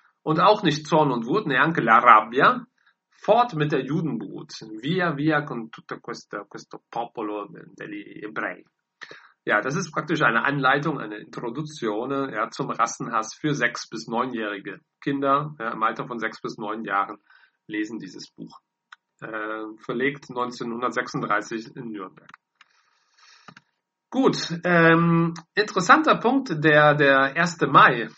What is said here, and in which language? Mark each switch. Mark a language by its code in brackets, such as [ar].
[de] Und auch nicht Zorn und Wut, ne, [it] anche la rabbia. [de] Fort mit der Judenbrut. [it] Via, via con tutto questo popolo degli ebrei. [de] Ja, das ist praktisch eine Anleitung, eine Introduzione, ja, zum Rassenhass für 6- bis 9-jährige Kinder. Ja, im Alter von 6 bis 9 Jahren lesen dieses Buch. Verlegt 1936 in Nürnberg. Gut, interessanter Punkt, der 1. Mai.